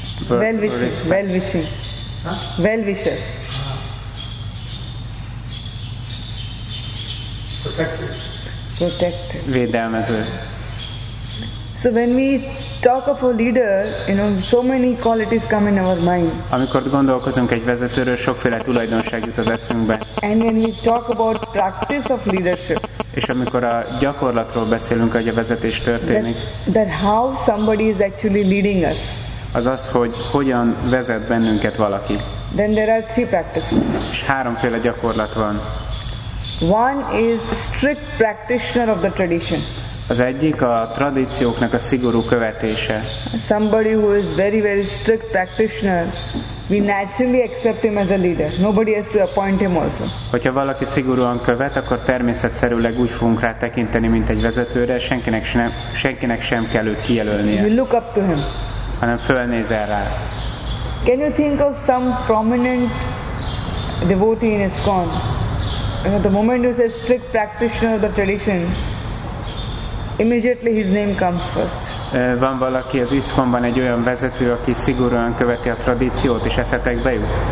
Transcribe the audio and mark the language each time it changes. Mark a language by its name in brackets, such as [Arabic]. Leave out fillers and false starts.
[English] Well-wishing. Well-wisher. Protective. [Hungarian] Védelmező. [English] So when we talk of a leader, you know, so many qualities come in our mind. [Hungarian] Amikor gondolkozunk egy vezetőről, sokféle tulajdonság jut az eszünkbe. [English] And when we talk about practice of leadership. [Hungarian] És amikor a gyakorlatról beszélünk, hogy a vezetés történik. [English] That how somebody is actually leading us. [Hungarian] Az, hogy hogyan vezet bennünket valaki. [English] Then there are three practices. [Hungarian] És háromféle gyakorlat van. [English] One is strict practitioner of the tradition. [Hungarian] Az egyik a tradícióknak a szigorú követése. [English] Somebody who is very very strict practitioner, we naturally accept him as a leader. Nobody has to appoint him also. [Hungarian] Hogyha valaki szigorúan követ, akkor természetszerűleg úgy fogunk rá tekinteni, mint egy vezetőre, senkinek sem kell őt kijelölnie. [English] You look up to him. [Hungarian] Hanem fölnézel rá. [English] Can you think of some prominent devotee in ISKCON? You know, the moment you say strict practitioner of the tradition, immediately his name comes first. [Hungarian] Van valaki az ISKCON-ban egy olyan vezető, aki szigorúan követi a tradíciót, és eszetekbe jut?